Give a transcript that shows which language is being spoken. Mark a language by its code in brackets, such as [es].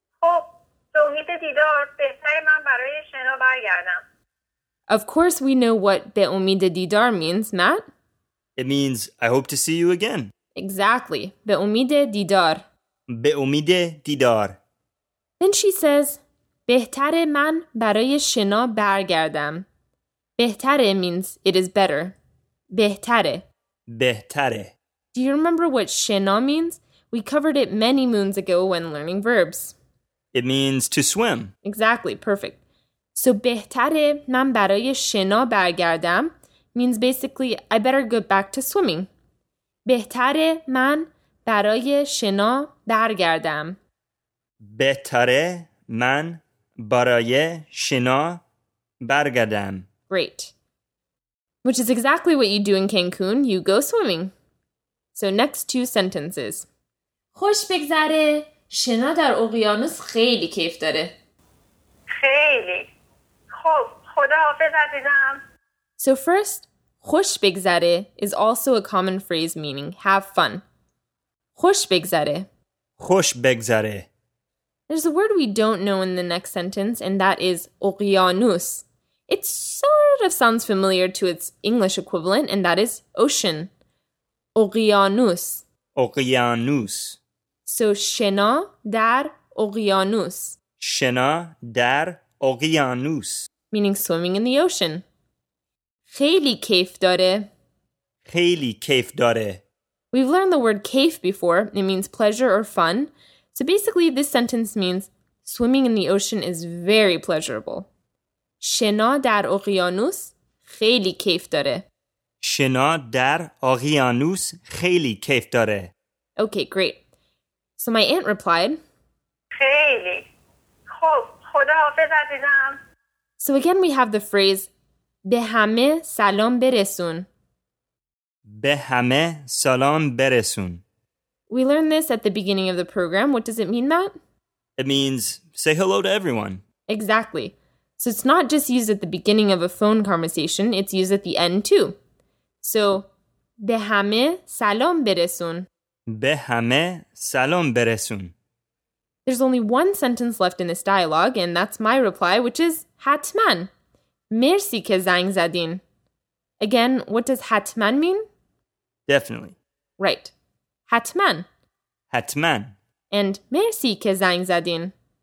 [fa] خب, امید دیدار بهتر من برای شنا برگردم. [en] Of course we know what [fa] به امید دیدار [en] means, Matt. It means, I hope to see you again. Exactly. [fa] به امید دیدار. به امید دیدار. [en] Then she says, [fa] بهتر من برای شنا برگردم. [en] بهتره means it is better. [fa] بهتره. بهتره. [en] Do you remember what شنا means? We covered it many moons ago when learning verbs. It means to swim. Exactly, perfect. So [fa] بهتره من برای شنا برگردم [en] means basically I better go back to swimming. [fa] بهتره من برای شنا برگردم. بهتره من برای شنا برگردم. [en] Great. Which is exactly what you do in Cancun. You go swimming. So next two sentences. [fa] خوش بگذره. شنا در اقیانوس خیلی کیف داره. خیلی. خداحافظ عزیزم. [en] So first, [fa] خوش بگذره [en] is also a common phrase meaning have fun. [fa] خوش بگذره. خوش بگذره. [en] There's a word we don't know in the next sentence, and that is اقیانوس. It sort of sounds familiar to its English equivalent, and that is ocean. [fa] اقیانوس. اقیانوس. So شنا در اقیانوس. شنا در اقیانوس. [en] Meaning swimming in the ocean. [fa] خیلی کیف داره. خیلی کیف داره. [en] We've learned the word کیف before. It means pleasure or fun. So basically, this sentence means swimming in the ocean is very pleasurable. [fa] شنا در اقیانوس خیلی کیف داره. شنا در اقیانوس خیلی کیف داره. [en] Okay, great. So my aunt replied, [fa] خیلی. خوب. خداحافظ عزیزم. [en] So again, we have the phrase, [fa] به همه سلام برسون. به همه سلام برسون. [en] We learned this at the beginning of the program. What does it mean, Matt? It means say hello to everyone. Exactly. So it's not just used at the beginning of a phone conversation. It's used at the end, too. [fa] So, به همه سلام برسون. به همه سلام برسون. [en] There's only one sentence left in this dialogue, and that's my reply, which is حتماً. [fa] مرسی که زنگ زدین. [en] Again, what does حتماً mean? Definitely. Right. [fa] حتماً. حتماً. And مرسی که زنگ زدین.